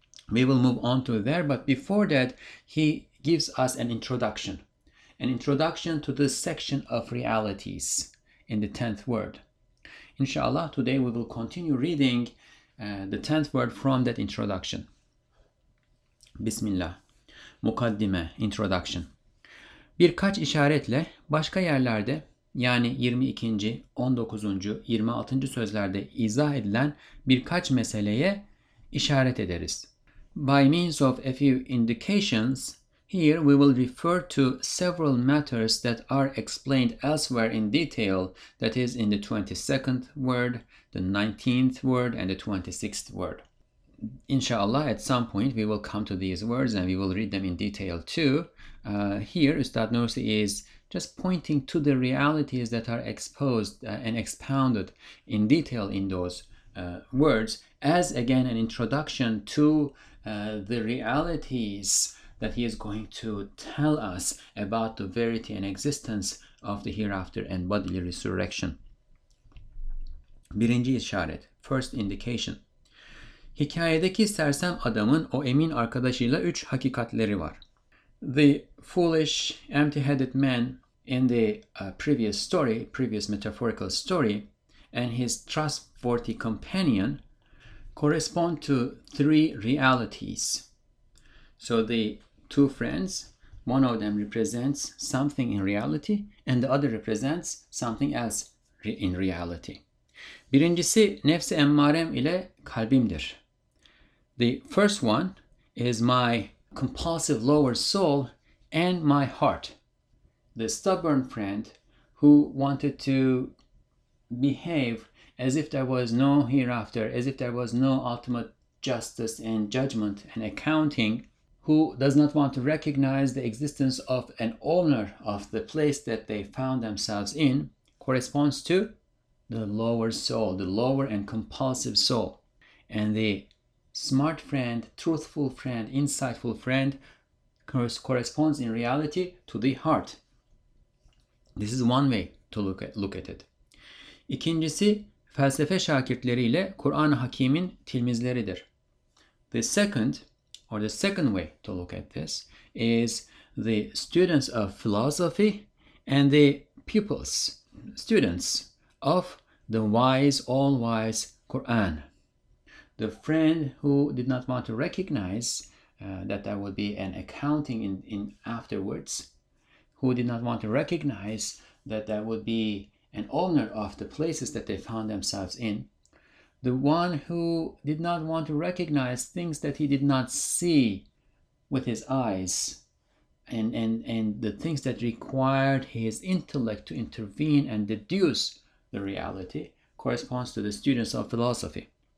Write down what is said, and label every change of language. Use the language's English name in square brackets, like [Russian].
[English] We will move on to there, but before that, he gives us an introduction to the section of realities in the 10th word. Inshallah, today we will continue reading the 10th word from that introduction. Bismillah. Mukaddime, introduction. [Turkish] Birkaç işaretle başka yerlerde, yani 22., 19., 26. sözlerde izah edilen birkaç meseleye işaret ederiz. [English] By means of a few indications, here we will refer to several matters that are explained elsewhere in detail, that is in the 22nd word, the 19th word, and the 26th word. Inshallah, at some point we will come to these words and we will read them in detail too. Here, Ustad Nursi is just pointing to the realities that are exposed and expounded in detail in those words as, again, an introduction to the realities that he is going to tell us about the verity and existence of the hereafter and bodily resurrection. [Turkish] Birinci işaret, [English] first indication. [Turkish] Hikayedeki sersem adamın o emin arkadaşıyla üç hakikatleri var. [English] The foolish, empty-headed man in the previous metaphorical story, and his trustworthy companion correspond to three realities. So the two friends, one of them represents something in reality and the other represents something else in reality. [Turkish] Birincisi nefsi emmarem ile kalbimdir. [English] The first one is my compulsive lower soul and my heart. The stubborn friend who wanted to behave as if there was no hereafter, as if there was no ultimate justice and judgment and accounting, who does not want to recognize the existence of an owner of the place that they found themselves in, corresponds to the lower soul, the lower and compulsive soul. And the smart friend, truthful friend, insightful friend corresponds in reality to the heart. This is one way to look at it. [Turkish] İkincisi, felsefe şakirtleriyle Kur'an-ı Hakim'in tilmizleridir. [English] The second way to look at this is the students of philosophy and the pupils, students of the wise, all-wise Quran. The friend who did not want to recognize that there would be an accounting in afterwards, who did not want to recognize that there would be an owner of the places that they found themselves in, the one who did not want to recognize things that he did not see with his eyes and the things that required his intellect to intervene and deduce the reality corresponds to the students of philosophy.